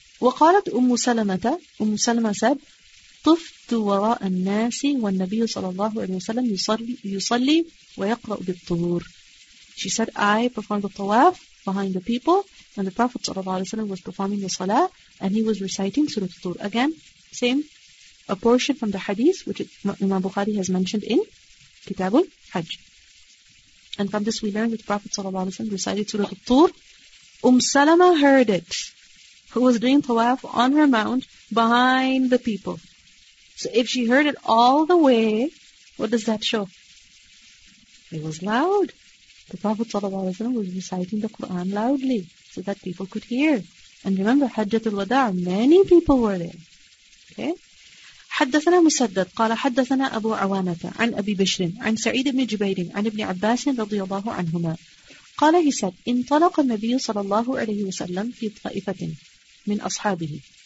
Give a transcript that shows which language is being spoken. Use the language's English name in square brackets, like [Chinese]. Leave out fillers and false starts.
[Arabic] وقالت أم سلمة [English] said, [Arabic] طفت وراء الناس والنبي صلى الله عليه وسلم يصلي ويقرأ بالطهور. [English] She said, I performed the tawaf behind the people, and the Prophet sallallahu alaihi wasallam was performing the salah, and he was reciting Surah At-Tur. Again, same, a portion from the hadith which Imam Bukhari has mentioned in Kitab al-Hajj. And from this we learn that the Prophet sallallahu alaihi wasallam recited Surah At-Tur. Salama heard it, who was doing tawaf on her mount behind the people. So if she heard it all the way, what does that show? It was loud. The Prophet ﷺ was reciting the Quran loudly so that people could hear. And remember, Hajjat al-Wada', many people were there. Okay? [Arabic] حدثنا مسدد قال حدثنا أبو عوانة عن أبي بشر عن سعيد بن جبير عن ابن عباس رضي الله عنهما قال [English] he said, [Arabic] انطلق النبي صلى الله عليه وسلم في طائفة من أصحابه.